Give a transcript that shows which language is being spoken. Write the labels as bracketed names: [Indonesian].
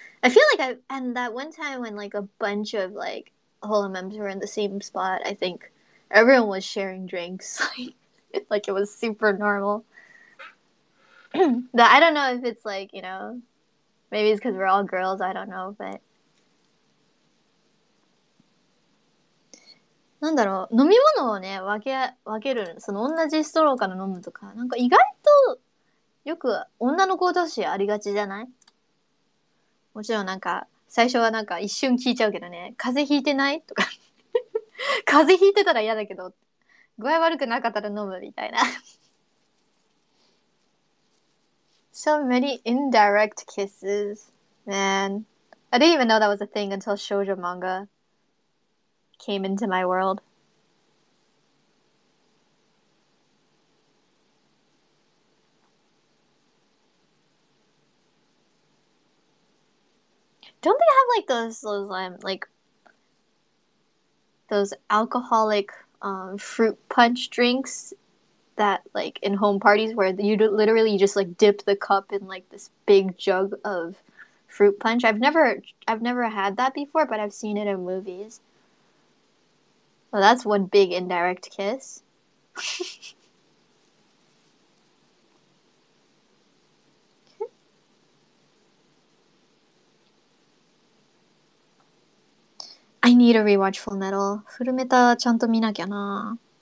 [English] I feel like and that one time when like a bunch of like holo members were in the same spot, I think everyone was sharing drinks like it was super normal. But I don't know if it's like, you know, maybe it's because we're all girls, I don't know, but. [Japanese] なんだろう、飲み物をね、分ける、その同じストローから飲むとか、なんか意外とよく女の子同士ありがちじゃない？もちろんなんか、最初はなんか一瞬聞いちゃうけどね、風邪ひいてない？とか。風邪ひいてたら嫌だけど、具合悪くなかったら飲むみたいな。 [English] So many indirect kisses, man. I didn't even know that was a thing until 少女漫画 came into my world. Don't they have like those alcoholic fruit punch drinks that like in home parties where you literally just like dip the cup in like this big jug of fruit punch? I've never had that before, but I've seen it in movies. Well, that's one big indirect kiss. I need a rewatch Full Metal. [Japanese] Full Metal, ちゃんと見なきゃな。